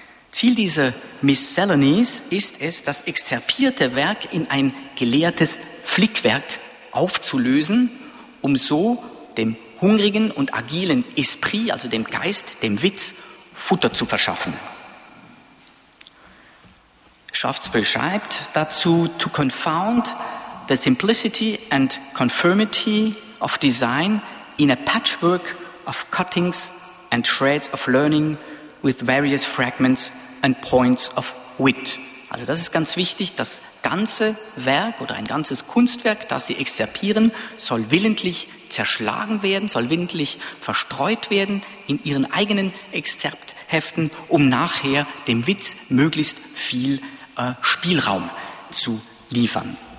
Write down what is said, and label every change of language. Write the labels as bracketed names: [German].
[German] Ziel dieser Miscellanies ist es, das exzerpierte Werk in ein gelehrtes Flickwerk aufzulösen, um so dem hungrigen und agilen Esprit, also dem Geist, dem Witz, Futter zu verschaffen. Shaftesbury schreibt dazu: [English] To confound the simplicity and conformity of design in a patchwork of cuttings and shreds of learning with various fragments and points of wit. [German] Also das ist ganz wichtig, das ganze Werk oder ein ganzes Kunstwerk, das sie exzerpieren, soll willentlich zerschlagen werden, soll willentlich verstreut werden in ihren eigenen Exzerptheften, um nachher dem Witz möglichst viel Spielraum zu liefern.